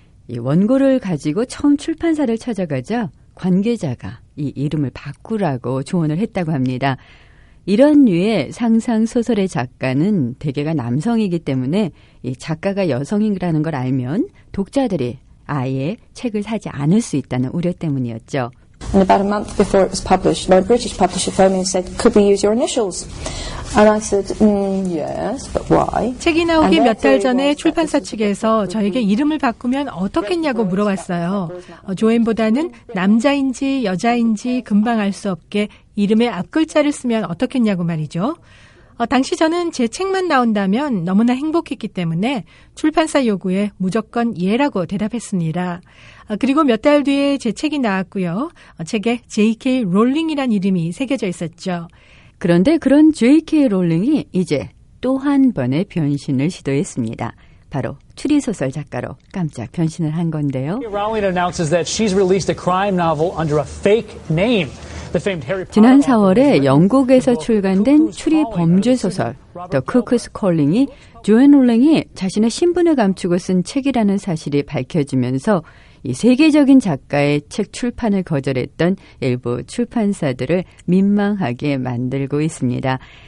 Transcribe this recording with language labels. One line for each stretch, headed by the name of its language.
Korean: 이 원고를 가지고 처음 출판사를 찾아가자 관계자가 이 이름을 바꾸라고 조언을 했다고 합니다. 이런 류의 상상소설의 작가는 대개가 남성이기 때문에 이 작가가 여성이라는 걸 알면 독자들이 아예 책을 사지 않을 수 있다는 우려 때문이었죠.
English: And about a month before it was published, my British publisher phoned me and said, could we use your initials? And I said, yes, but why?
Korean: 책이 나오기 몇 달 전에 출판사 측에서 저에게 이름을 바꾸면 어떻겠냐고 물어봤어요. 조앤보다는 남자인지 여자인지 금방 알 수 없게 이름의 앞글자를 쓰면 어떻겠냐고 말이죠. 당시 저는 제 책만 나온다면 너무나 행복했기 때문에 출판사 요구에 무조건 예라고 대답했습니다. 그리고 몇 달 뒤에 제 책이 나왔고요. 책에 J.K. 롤링이란 이름이 새겨져 있었죠. 그런데 그런 J.K. 롤링이 이제 또 한 번의 변신을 시도했습니다. 바로 추리소설 작가로 깜짝 변신을 한 건데요.
English: Rowling announces that she's released a crime novel under a fake name.
Korean: 지난 4월에 영국에서 출간된 추리 범죄소설 The Cuckoo's Calling이 조앤 롤링이 자신의 신분을 감추고 쓴 책이라는 사실이 밝혀지면서 이 세계적인 작가의 책 출판을 거절했던 일부 출판사들을 민망하게 만들고 있습니다.